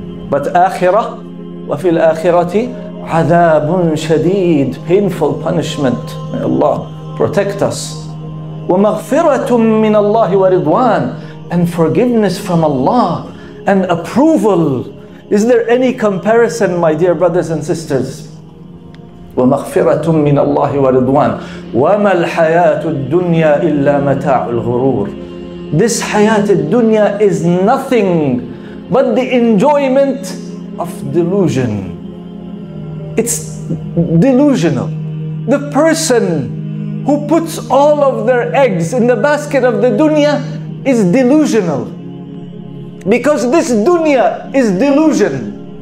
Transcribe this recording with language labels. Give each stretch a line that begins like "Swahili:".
English: But akhirah,
Arabic: وفي الآخرة عذاب شديد,
English: painful punishment. May Allah protect us.
Arabic: ومغفرة من الله ورضوان,
English: and forgiveness from Allah and approval. Is there any comparison, my dear brothers and sisters?
Arabic: ومغفرة من الله ورضوان وما الحياة الدنيا إلا متاع الغرور.
English: This hayat al-dunya is nothing but the enjoyment of delusion. It's delusional. The person who puts all of their eggs in the basket of the dunya is delusional, because this dunya is delusion.